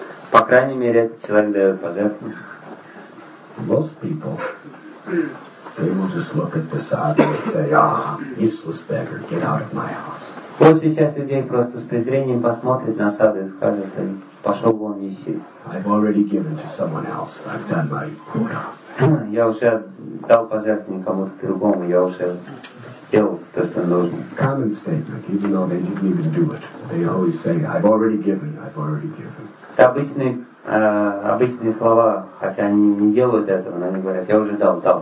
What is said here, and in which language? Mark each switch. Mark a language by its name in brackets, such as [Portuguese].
[Russian] По крайней мере, этот человек дает пожертвование. [English] Most people, they will just look at the sadhu and say, ah, useless beggar, get out of my house. [Russian] Большая часть людей просто с презрением посмотрит на сады и скажет, пошел вон ищи. [English] I've already given to someone else. I've done my quota. [Russian] Я уже дал пожертвование кому-то другому, я уже сделал то, что нужно. [English] Common statement, even though they didn't even do it. They always say, I've already given, I've already given. [Russian] Это обычные слова, хотя они не делают этого, но они говорят, я уже дал.